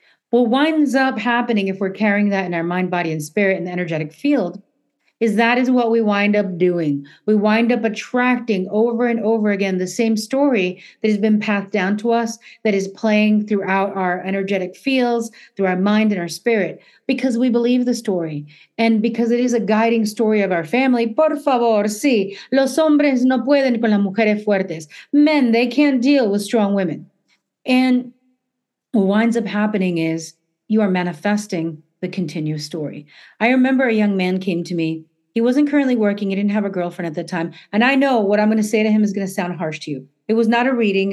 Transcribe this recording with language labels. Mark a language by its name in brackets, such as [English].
[English] What winds up happening if we're carrying that in our mind, body, and spirit in the energetic field is that is what we wind up doing. We wind up attracting over and over again the same story that has been passed down to us, that is playing throughout our energetic fields, through our mind and our spirit, because we believe the story. And because it is a guiding story of our family, [Spanish] por favor, sí, los hombres no pueden con las mujeres fuertes. [English] Men, they can't deal with strong women. And what winds up happening is you are manifesting the continuous story. I remember a young man came to me. He wasn't currently working. He didn't have a girlfriend at the time. And I know what I'm going to say to him is going to sound harsh to you. It was not a reading.